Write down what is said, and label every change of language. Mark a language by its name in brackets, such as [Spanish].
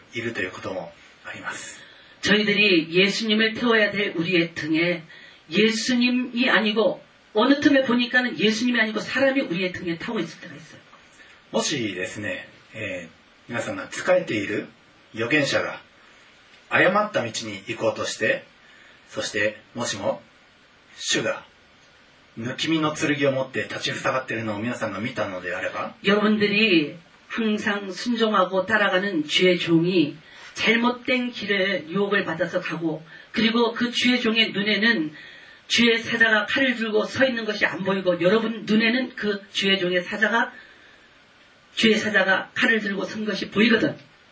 [Japanese] イエス様を担いでイエス様をお乗せするべきがいつの間にか変な人を担いでいるということもあります。 [Korean] 저희들이 예수님을 태워야 될 우리의 등에 예수님이 아니고 어느 틈에 보니까는 예수님이 아니고 사람이 우리의 등에 타고 있을 때가 있어요. [Japanese] もしですね、皆さんが仕えている預言者が誤った道に行こうとして、そしてもしも主が抜き身の剣を持って立ちふさがっているのを皆さんが見たのであれば、 [Korean] 여러분들이 항상순종하고따라가는주의종이잘못된길을유혹을받아서가고그리고그주의종의눈에는주의사자가칼을들고서있는것이안보이고여러분눈에는그주의종의사자가주의사자가칼을들고선것이보이거든